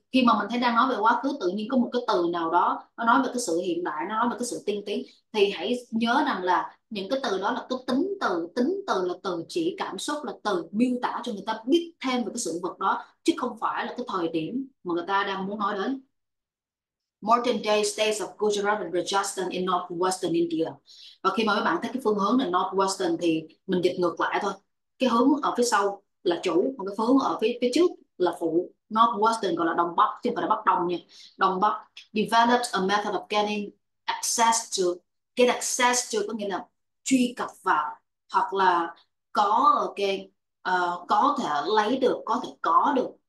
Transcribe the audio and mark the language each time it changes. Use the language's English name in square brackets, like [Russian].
[Vietnamese] Khi mà mình thấy đang nói về quá khứ, tự nhiên có một cái từ nào đó nó nói về cái sự hiện đại, nó nói về cái sự tiên tiến, thì hãy nhớ rằng là những cái từ đó là cái tính từ. Tính từ là từ chỉ cảm xúc, là từ miêu tả cho người ta biết thêm về cái sự vật đó, chứ không phải là cái thời điểm mà người ta đang muốn nói đến. [English] Modern day states of Gujarat and Rajasthan in northwestern India. [Vietnamese] Và khi mà các bạn thấy cái phương hướng là northwestern thì mình dịch ngược lại thôi. Cái hướng ở phía sau là chủ, còn cái hướng ở phía phía trước là phụ. Northwestern gọi là đông bắc chứ không phải là bắc đông nha. Đông bắc [English] develops a method of getting access to, [Vietnamese] get access to có nghĩa là truy cập vào hoặc là có, ok, có thể lấy được, có thể có được.